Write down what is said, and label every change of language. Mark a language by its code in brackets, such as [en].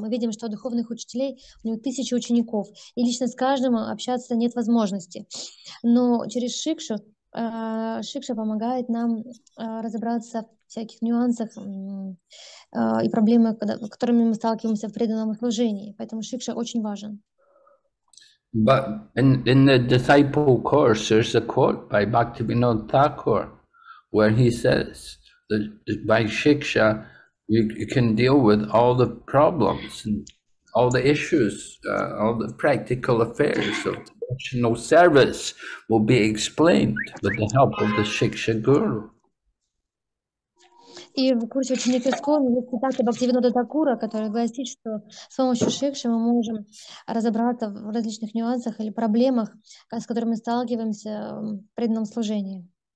[ru] Мы видим, что у духовных учителей у него тысячи учеников, и лично с каждым общаться нет возможности. Но через шикшу, шикша помогает нам разобраться в всяких нюансах и проблемах, которыми мы сталкиваемся в преданном служении. Поэтому шикша очень важен. [en] But in the disciple course, there's a quote by Bhaktivinoda Thakur, where he says that by shiksha, you can deal with all the problems, and all the issues, all the practical affairs of devotional service will be explained with the help of the shiksha guru. [ru] И в курсе ученик ИСККОН есть цитата Бхактивинода Такура, которая гласит, что с помощью шикши мы можем разобраться в различных нюансах или проблемах, с которыми сталкиваемся в преданном служении.